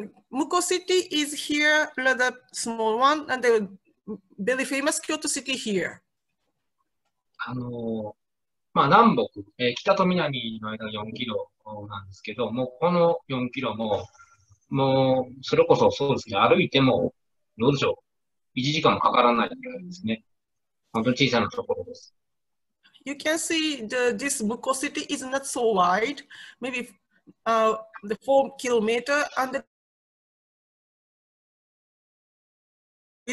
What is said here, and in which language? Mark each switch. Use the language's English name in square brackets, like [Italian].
[English] Muko City is here, rather small one, and the very famous Kyoto City here. [Japanese] まあ、南北、北と南の間4キロなんですけど、もうこの4キロも、もうそれこそそうですね、歩いても、どうでしょう、1時間もかからないぐらいですね。本当に小さなところです。 [English] You can see this Muko city is not so wide, maybe the 4 kilometer and the...